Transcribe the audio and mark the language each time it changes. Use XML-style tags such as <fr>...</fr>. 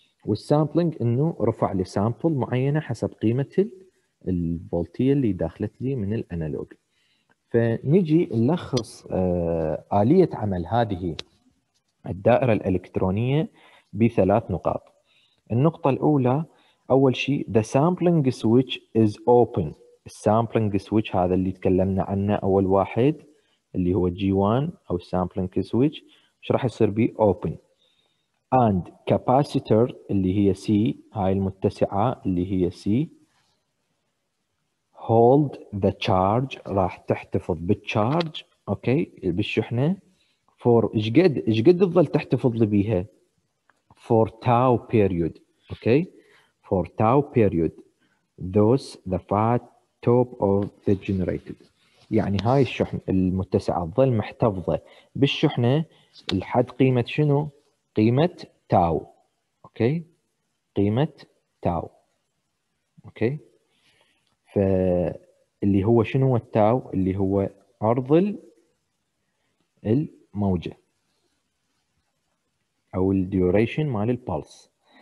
<ar>والسامبلينج إنه رفع لسامبل معينة حسب قيمة الفولتية اللي داخلت لي من الأنالوج. فنجي نلخص آلية عمل هذه الدائرة الإلكترونية بثلاث نقاط. النقطة الأولى، أول شيء</ar> <en>the sampling switch is open.</en> <ar>السامبلينج switch هذا اللي تكلمنا عنه أول واحد اللي هو G1 أو sampling switch، مش راح يصير بي open. And capacitor اللي هي C، هاي المتسعة اللي هي C،</ar> <en>hold the charge،</en> <ar>راح تحتفظ بالcharge، أوكي بالشحنة.</ar> <en>For</en> <ar>إش قد تظل تحتفظ بيها؟</ar> <en>For tau period، okay for tau period، thus the fat top of the generated.</en> <ar>يعني هاي الشحن المتسعة تظل محتفظة بالشحنة لحد قيمة شنو؟ قيمة تاو، أوكي؟ قيمة تاو، أوكي؟ فاللي هو شنو التاو؟ اللي هو عرض الموجة أو الديوريشن مال البالس.</ar>